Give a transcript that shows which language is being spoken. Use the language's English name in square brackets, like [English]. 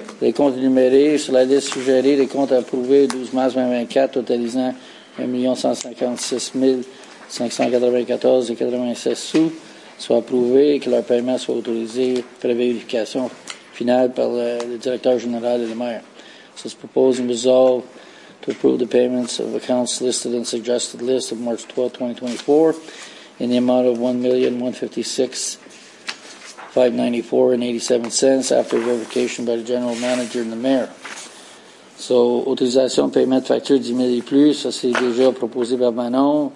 [French] Les comptes énumérés sur la liste suggérée, les comptes approuvés 12 mars 2024, totalisant 1 156 594,96 sous, soient approuvés et que leur paiement soit autorisé après vérification finale par le directeur général et le maire. Ça, c'est proposé [English] and resolve to approve the payments of accounts listed in suggested list of March 12, 2024 in the amount of $1,156,594.87 after verification by the general manager and the mayor. [French] So, autorisation de paiement de facture 10 000 et plus, ça c'est déjà proposé par Manon.